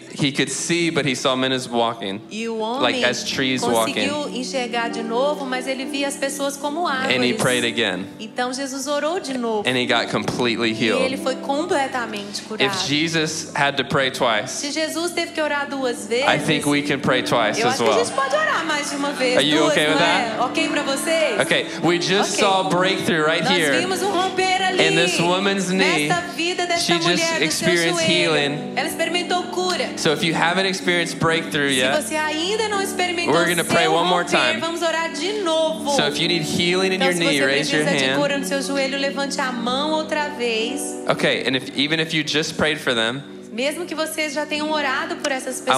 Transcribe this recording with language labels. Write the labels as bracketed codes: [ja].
[en] He could see, but he saw men as walking, like as trees walking. [pt] E o homem conseguiu enxergar de novo, mas ele via as pessoas como árvores. [en] And he prayed again. [pt] Então Jesus orou de novo. [en] And he got completely healed. [pt] E ele foi completamente curado. [en] If Jesus had to pray twice, [pt] se Jesus teve que orar duas vezes, [en] I think we can pray twice as well. [pt] Eu acho que a gente pode orar mais de uma vez. [en] Are you okay with that? [pt] Okay para vocês? [en] Okay, we just saw a breakthrough right here. [pt] Nós vimos romper ali. [en] In this woman's knee, she just experienced healing. [pt] Ela experimentou cura. [en] So if you haven't experienced breakthrough yet, [pt] se você ainda não experimentou, [en] we're going to pray one more time. [pt] Vamos orar de novo. [en] So if you need healing in your knee, raise your hand. [pt] Se você precisa de cura no seu joelho, levante a mão outra vez. [en] Okay, and even if you just prayed for them, [pt] mesmo que vocês já tenham orado por essas pessoas,